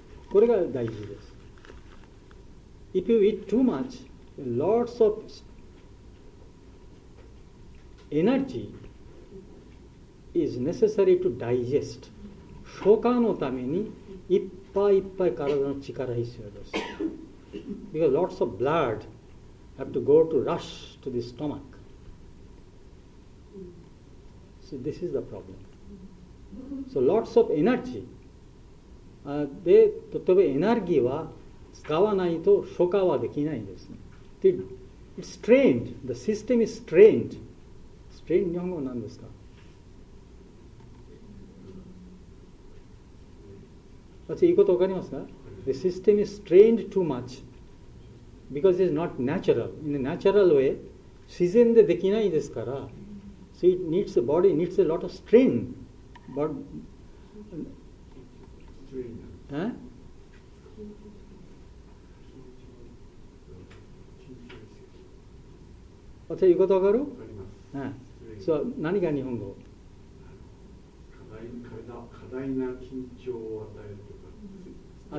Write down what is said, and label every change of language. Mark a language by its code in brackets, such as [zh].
[ja] これが大事です。 [en] If you eat too much, lots of energy is necessary to digest. [ja] 消化のためにいっぱいいっぱい体の力が必要です。 [en] Because lots of blood have to go to rush to the stomach. So this is the problem. So lots of energy. [ja] で、例えばエネルギーは使わないと消化はできないんですね。 [en] It's strained. The system is strained. Strained [ja] 日本語は何ですか？私、いいことわかりますか？ [en] The system is strained too much because it's not natural. In a natural way, [ja] 自然でできないですから。 [en] So it needs the body, needs a lot of strain. But... [ja] あ、じゃあいうことわかる？あります。そう、何が日本語？過大な緊張を与えるとか。